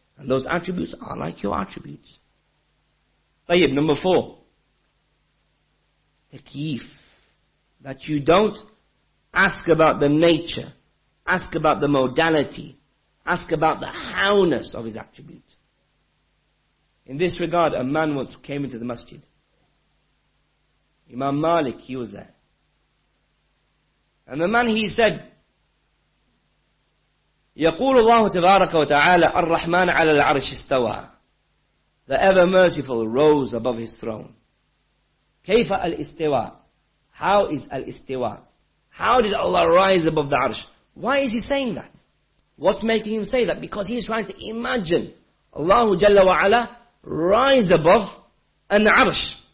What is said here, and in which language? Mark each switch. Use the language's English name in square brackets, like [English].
[English] And those attributes are like your attributes. Tayyib, number four. Takyif. That you don't ask about the nature, ask about the modality, ask about the howness of His attribute. In this regard, a man once came into the masjid. Imam Malik, he was there. And the man, he said, [Arabic] يقول الله تبارك وتعالى الرحمن على العرش استوى [English] the ever merciful, rose above his throne. Kayfa al-istiwa? How is al-istiwa? How did Allah rise above the arsh? Why is he saying that? What's making him say that? Because he's trying to imagine Allah Jalla wa Ala rise above an arsh.